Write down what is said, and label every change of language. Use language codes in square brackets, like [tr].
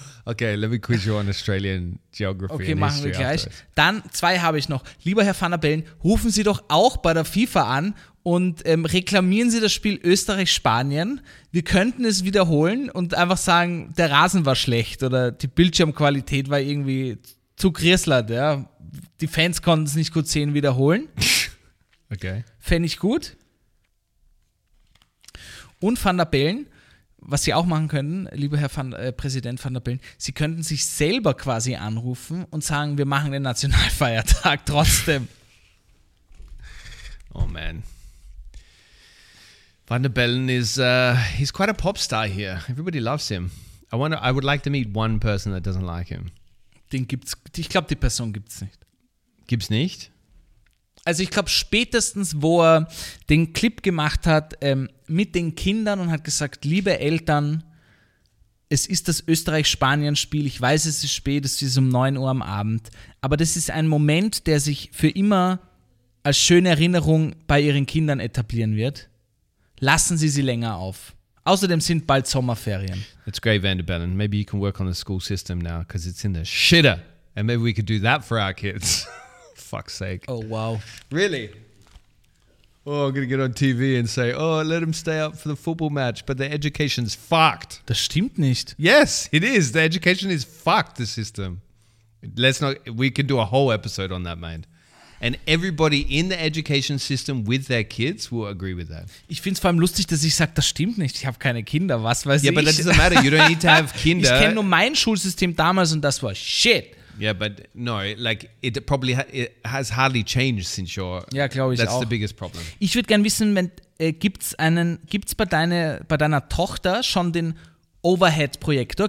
[en] Okay, let me quiz you on Australian geography. Okay, and [de] machen [en] history [de] wir gleich. [en] Afterwards. [de] Dann zwei habe ich noch. Lieber Herr Van der Bellen, rufen Sie doch auch bei der FIFA an und reklamieren Sie das Spiel Österreich-Spanien. Wir könnten es wiederholen und einfach sagen, der Rasen war schlecht oder die Bildschirmqualität war irgendwie zu grislert, ja. Die Fans konnten es nicht gut sehen, wiederholen. Okay. Fände ich gut. Und Van der Bellen, was Sie auch machen könnten, lieber Herr Präsident Van der Bellen, Sie könnten sich selber quasi anrufen und sagen, wir machen den Nationalfeiertag trotzdem. Oh man. [en] Van der Bellen is he's quite a pop star here. Everybody loves him. I would like to meet one person that doesn't like him. [de] Den gibt's. Ich glaube, die Person gibt's nicht. Gibt's nicht? Also ich glaube, spätestens, wo er den Clip gemacht hat mit den Kindern und hat gesagt, liebe Eltern, es ist das Österreich-Spanien-Spiel, ich weiß, es ist spät, es ist um 9 Uhr am Abend, aber das ist ein Moment, der sich für immer als schöne Erinnerung bei ihren Kindern etablieren wird. Lassen Sie sie länger auf. Außerdem sind bald Sommerferien. [en] That's great, Van der Bellen. Maybe you can work on the school system now, because it's in the shitter. And maybe we could do that for our kids. Fuck's sake. Oh, wow. Really? Oh, I'm going to get on TV and say, oh, let them stay up for the football match, but their education's fucked. [de] Das stimmt nicht. [en] Yes, it is. The education is fucked, the system. We can do a whole episode on that, mate. And everybody in the education system with their kids will agree with that. [de] Ich finde es vor allem lustig, dass ich sage, das stimmt nicht. Ich habe keine Kinder. Was weiß yeah, ich? [en] Yeah, but that doesn't matter. You don't need to have Kinder. [de] Ich kenne nur mein Schulsystem damals und das war shit. [en] Yeah, but no, like, it probably it has hardly changed since your... [de] Ja, glaube ich [en] that's [de] auch. [en] That's the biggest problem. [de] Ich würde gerne wissen, gibt's bei deiner Tochter schon den Overhead-Projektor?